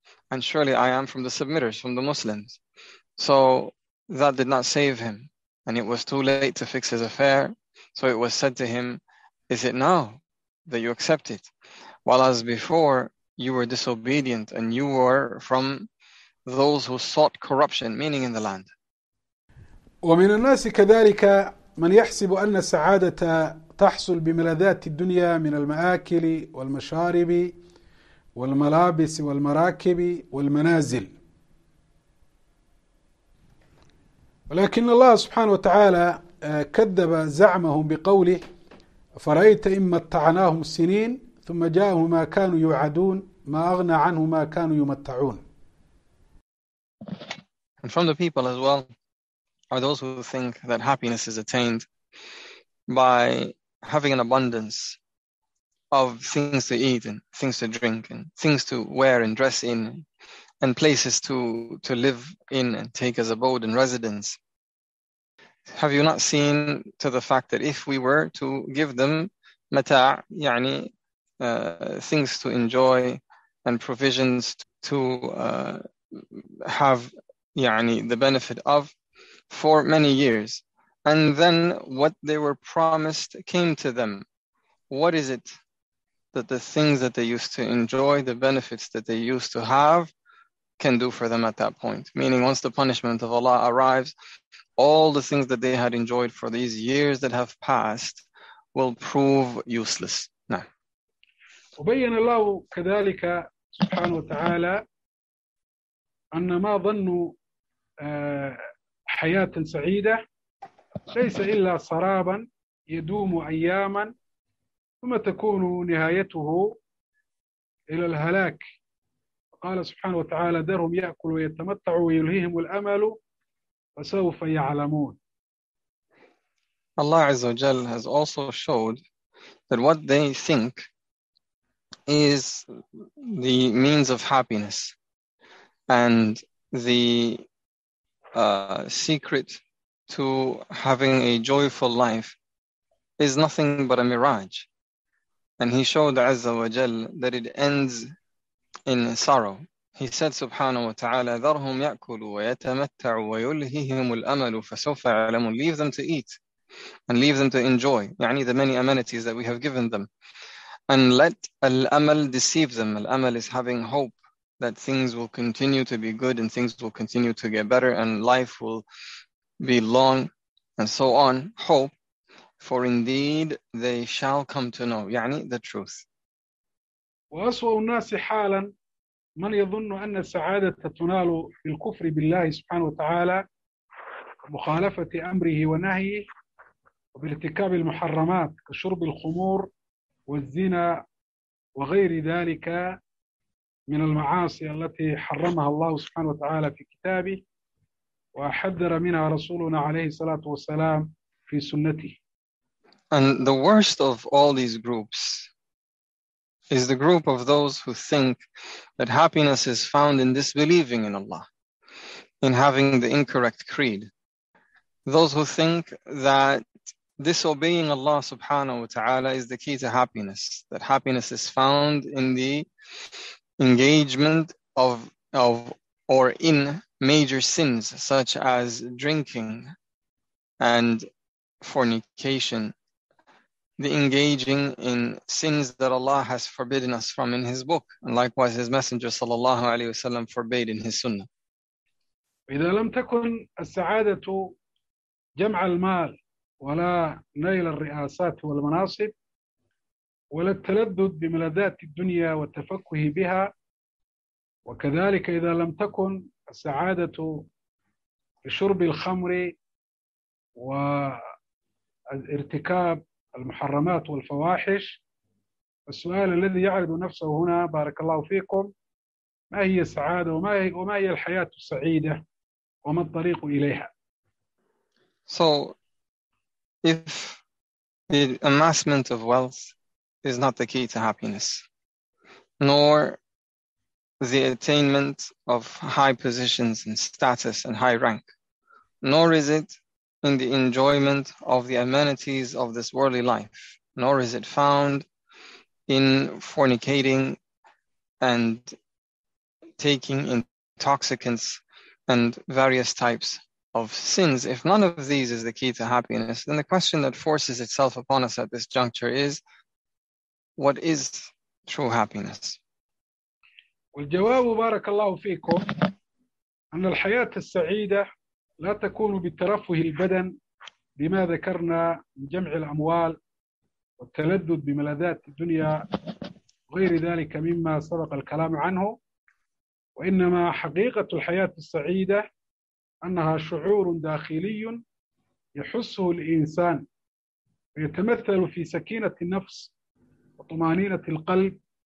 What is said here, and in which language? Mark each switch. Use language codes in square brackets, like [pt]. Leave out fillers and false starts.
[en] And surely I am from the submitters, from the Muslims. So that did not save him. And it was too late to fix his affair. So it was said to him, is it now that you accept it? While as before, you were disobedient and you were from those who sought corruption, meaning in the land. [ar] ومن الناس كذلك من يحسب أن السعادة تحصل بملذات الدنيا من المآكل والمشارب والملابس والمراكب والمنازل. ولكن الله سبحانه وتعالى كذب زعمهم بقوله فرأيت إن متعناهم سنين ثم جاءهم ما كانوا يوعدون ما أغنى عنهم ما كانوا يمتعون. [en] And from the people as well are those who think that happiness is attained by having an abundance of things to eat and things to drink and things to wear and dress in and places to live in and take as abode and residence. Have you not seen to the fact that if we were to give them mata', [ar] يعني, [en] things to enjoy and provisions to have يعني, the benefit of for many years, and then what they were promised came to them, what is it that the things that they used to enjoy, the benefits that they used to have, can do for them at that point? Meaning once the punishment of Allah arrives, all the things that they had enjoyed for these years that have passed will prove useless. Nah. [ar] وبين الله كذلك سبحانه وتعالى أن ما ظنوا حياة سعيدة ليس إلا سرابا يدوم أياما ثم تكون نهايته إلى الهلاك. قال سبحانه وتعالى ذرهم يأكلوا ويتمتعوا ويلهيهم الأمل فسوف يعلمون. [en] Allah [ar] عز وجل [en] has also showed that what they think is the means of happiness and the secret to having a joyful life is nothing but a mirage. And he showed Azza wa Jal that it ends in sorrow. He said, Subhanahu wa Ta'ala, [ar] ذَرْهُمْ يَأْكُلُوا وَيَتَمَتَّعُوا وَيُلْهِهِمُ الْأَمَلُ فَسَوْفَ عَلَمُوا. [en] Leave them to eat and leave them to enjoy [ar] يعني [en] the many amenities that we have given them. And let al-amal deceive them. Al-amal is having hope that things will continue to be good and things will continue to get better and life will be long and so on. Hope. For indeed they shall come to know, [ar] يعني [en] the truth. [ar] وأسوأ الناس حالا من يظن أن السعادة تنال بالكفر بالله سبحانه وتعالى مخالفة أمره ونهيه وبارتكاب المحرمات كشرب الخمور والزنا وغير ذلك من المعاصي التي حرمها الله سبحانه وتعالى في كتابه وحذر منها رسولنا عليه الصلاة والسلام في سنته. [en] And the worst of all these groups is the group of those who think that happiness is found in disbelieving in Allah, in having the incorrect creed. Those who think that disobeying Allah subhanahu wa ta'ala is the key to happiness, that happiness is found in the engagement of or in major sins such as drinking and fornication. The engaging in sins that Allah has forbidden us from in His book, and likewise His Messenger sallallahu alaihi wasallam forbade in His Sunnah. [ar] إذا لم تكن السعادة جمع المال ولا نيل الرئاسات والمناصب ولا التلذذ بملذات الدنيا والتفكه بها وكذلك إذا لم تكن السعادة شرب الخمر وارتكاب المحرمات والفواحش. السؤال الذي يعرض نفسه هنا بارك الله فيكم، ما هي السعادة وما هي الحياة السعيدة وما الطريق إليها؟ [en] So, if the amassment of wealth is not the key to happiness, nor the attainment of high positions and status and high rank, nor is it in the enjoyment of the amenities of this worldly life, nor is it found in fornicating and taking intoxicants and various types of sins. If none of these is the key to happiness, then the question that forces itself upon us at this juncture is, what is true happiness? [ar] والجواب بارك الله فيكم أن الحياة السعيدة لا تكون بالترفه البدن بما ذكرنا من جمع الأموال والتلذذ بملذات الدنيا غير ذلك مما سبق الكلام عنه، وإنما حقيقة الحياة السعيدة أنها شعور داخلي يحسه الإنسان ويتمثل في سكينة النفس وطمأنينة القلب